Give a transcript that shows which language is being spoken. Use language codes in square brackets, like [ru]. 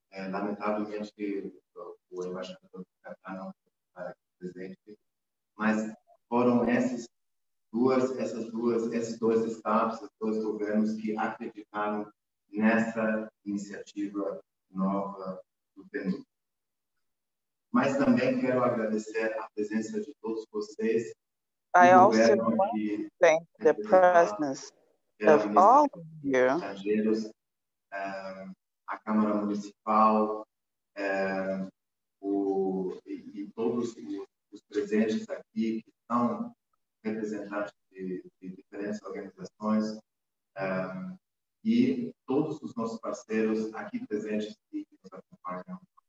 [pt] Lamentavelmente, o embaixador de Qatar não está presente, mas foram esses dois estados, esses dois governos que acreditaram nessa iniciativa nova do PNU. Mas também quero agradecer a presença de todos vocês. [en] I also want to thank the presence of all of you. [pt] A Câmara Municipal e todos os presentes aqui que estão representantes de diferentes organizações e todos os nossos parceiros aqui presentes e que nos acompanham.